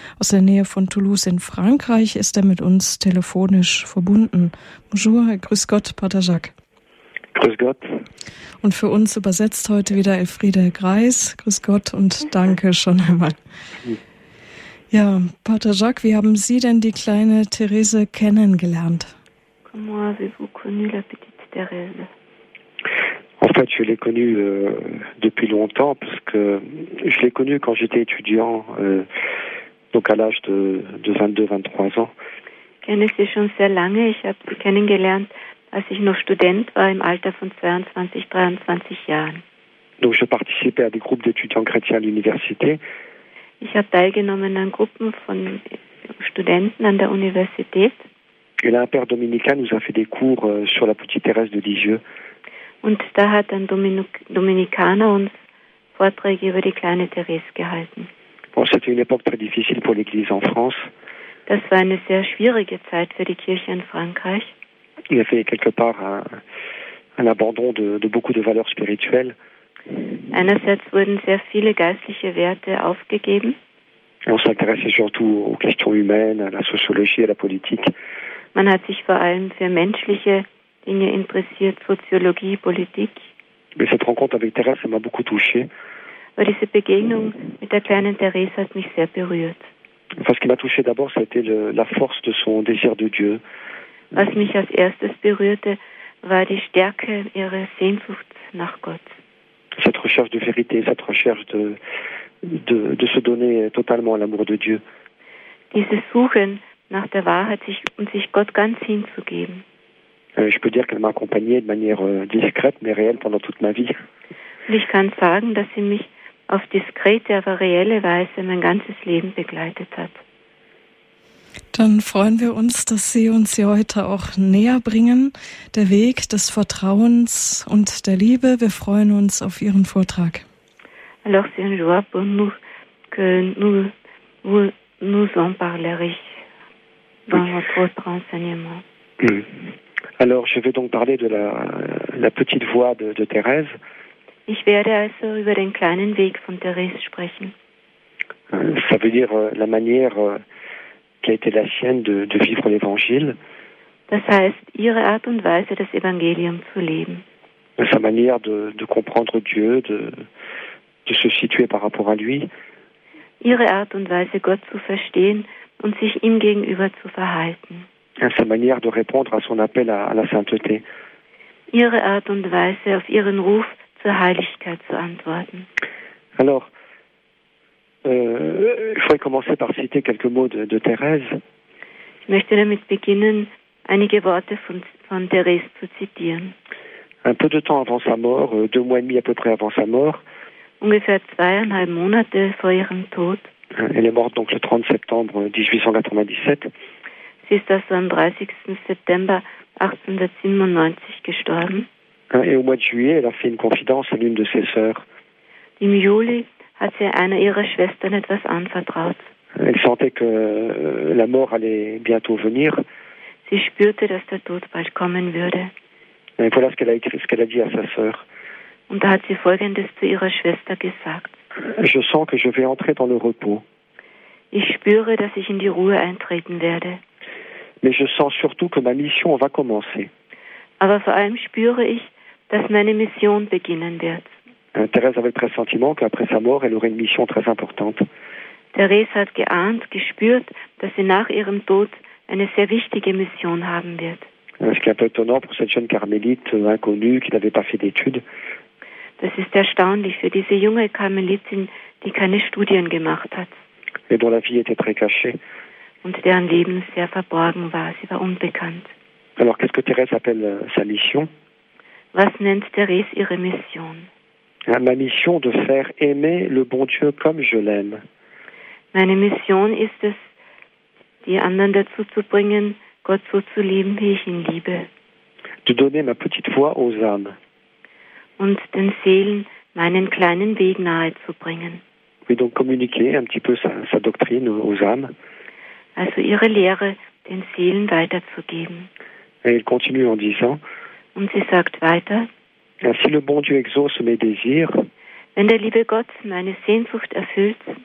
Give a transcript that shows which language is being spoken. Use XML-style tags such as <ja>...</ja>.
<de>Aus der Nähe von Toulouse in Frankreich ist er mit uns telefonisch verbunden. Bonjour, grüß Gott, Pater Jacques. Grüß Gott. Und für uns übersetzt heute wieder Elfriede Greis. Grüß Gott und danke schon einmal. Ja, Pater Jacques, wie haben Sie denn die kleine Therese kennengelernt?</de> <fr>Comment avez-vous connu la petite Thérèse? En fait, je l'ai connue depuis longtemps, parce que je l'ai connue quand j'étais étudiant, donc à l'âge de 22-23 ans.</fr> <de>Kenne sie schon sehr lange, ich habe sie kennengelernt, als ich noch Student war, im Alter von 22-23 Jahren.</de> <fr>Donc je participais à des groupes d'étudiants chrétiens à l'université.</fr> <de>Ich habe teilgenommen an Gruppen von Studenten an der Universität.</de> <fr>Et là, un père dominicain nous a fait des cours sur la petite Thérèse de Lisieux.</fr> <de>Und da hat ein Dominikaner uns Vorträge über die kleine Thérèse gehalten.</de> <fr>Bon, c'était une époque très difficile pour l'Église en France.</fr> <de>Das war eine sehr schwierige Zeit für die Kirche in Frankreich.</de> <fr>Il y avait quelque part un abandon de beaucoup de valeurs spirituelles.</fr> <de>Einerseits wurden sehr viele geistliche Werte aufgegeben.</de> <fr>Et on s'intéressait surtout aux questions humaines, à la sociologie, à la politique.</fr> <de>Man hat sich vor allem für menschliche Dinge interessiert, Soziologie, Politik.</de> <fr>Mais cette rencontre avec Thérèse m'a beaucoup touché.</fr> <de>Aber diese Begegnung mit der kleinen Thérèse hat mich sehr berührt.</de> <fr>Enfin, ce qui m'a touché d'abord, c'était la force de son désir de Dieu.</fr> <de>Was mich als erstes berührte, war die Stärke ihrer Sehnsucht nach Gott.</de> <fr>Cette recherche de vérité, cette recherche de se donner totalement à l'amour de Dieu.</fr> <de>Dieses Suchen nach der Wahrheit und sich Gott ganz hinzugeben.</de> <fr>Je peux dire qu'elle m'a accompagné de manière discrète mais réelle pendant toute ma vie.</fr> <de>Und ich kann sagen, dass sie mich auf diskrete, aber reelle Weise mein ganzes Leben begleitet hat. Dann freuen wir uns, dass Sie uns hier heute auch näher bringen, der Weg des Vertrauens und der Liebe. Wir freuen uns auf Ihren Vortrag.</de> <fr>Alors c'est un joie pour nous que nous en parlerons. Oui. Alors, je vais donc parler de la petite voix de Thérèse.</fr> <de>Ich werde also über den kleinen Weg von Thérèse sprechen.</de> <fr>Ça veut dire la manière qui a été la sienne de vivre l'Évangile.</fr> <de>Das heißt, ihre Art und Weise, das Evangelium zu leben.</de> <fr>Sa manière de comprendre Dieu, de se situer par rapport à lui.</fr> <de>Ihre Art und Weise, Gott zu verstehen und sich ihm gegenüber zu verhalten.</de> <fr>Sa manière de répondre à son appel à la sainteté.</fr> <de>Ihre Art und Weise, auf ihren Ruf zur Heiligkeit zu antworten.</de> <fr>Alors, je vais commencer par citer quelques mots de Thérèse.</fr> <de>Ich möchte damit beginnen, einige Worte von Thérèse zu zitieren.</de> <fr>Un peu de temps avant sa mort, deux mois et demi à peu près avant sa mort.</fr> <de>Ungefähr zweieinhalb Monate vor ihrem Tod.</de> <fr>Elle est morte donc le 30 septembre 1897.</fr> <de>Sie ist also am 30. September 1897 gestorben.</de> <fr>Et au mois de juillet, elle a fait une confidence à l'une de ses sœurs.</fr> <de>Im Juli hat sie einer ihrer Schwestern etwas anvertraut.</de> <fr>Elle sentait que la mort allait bientôt venir.</fr> <de>Sie spürte, dass der Tod bald kommen würde.</de> <fr>Et voilà ce qu'elle a dit à sa sœur.</fr> <de>Und da hat sie Folgendes zu ihrer Schwester gesagt.</de> <fr>Je sens que je vais entrer dans le repos.</fr> <de>Ich spüre, dass ich in die Ruhe eintreten werde.</de> <fr>Mais je sens surtout que ma mission va commencer.</fr> <de>Aber vor allem spüre ich, dass meine Mission beginnen wird.</de> <fr>Thérèse avait le pressentiment qu'après sa mort, elle aurait une mission très importante.</fr> <de>Thérèse hat geahnt, gespürt, dass sie nach ihrem Tod eine sehr wichtige Mission haben wird.</de> <fr>Ce qui est un peu étonnant pour cette jeune carmélite inconnue qui n'avait pas fait d'études.</fr> <de>Das ist erstaunlich für diese junge Karmelitin, die keine Studien gemacht hat.</de> <fr>Et dont la vie était très cachée.</fr> <de>Und deren Leben sehr verborgen war. Sie war unbekannt.</de> <fr>Alors, qu'est-ce que Thérèse appelle sa mission?</fr> <de>Was nennt Thérèse ihre Mission?</de> <fr>Ma mission de faire aimer le bon Dieu comme je l'aime.</fr> <de>Meine Mission ist es, die anderen dazu zu bringen, Gott so zu lieben, wie ich ihn liebe.</de> <fr>De donner ma petite voix aux âmes.</fr> <de>Und den Seelen meinen kleinen Weg nahe zu bringen.</de> <fr>Oui, donc communiquer un petit peu sa doctrine aux âmes.</fr> <de>Also ihre Lehre den Seelen weiterzugeben.</de> <fr>Et il continue en disant.</fr> <de>Und sie sagt weiter.</de> <fr>Si le bon Dieu exauce mes désirs.</fr> <de>Wenn der liebe Gott meine Sehnsucht erfüllt.</de>